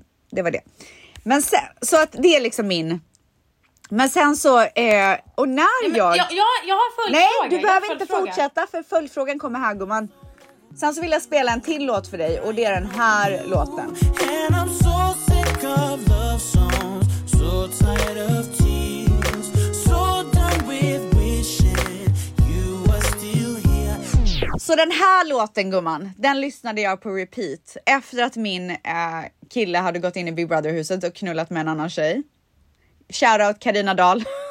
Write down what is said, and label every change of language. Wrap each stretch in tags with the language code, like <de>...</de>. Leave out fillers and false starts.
<sv>Det var det. Men sen, så att det är liksom min. Men sen så, och när ja, jag har följdfrågan. Nej, du behöver inte fortsätta, för följdfrågan kommer här, gumman. Sen så vill jag spela en till låt för dig, och det är den här låten.</sv> <en>And I'm so sick of love songs. So tired of tears, so done with wishing you were still here.</en> <sv>Så den här låten, gumman, den lyssnade jag på repeat efter att min kille hade gått in i Big Brother huset och knullat med en annan tjej.</sv> <en>Shout out Carina Dahl.</en>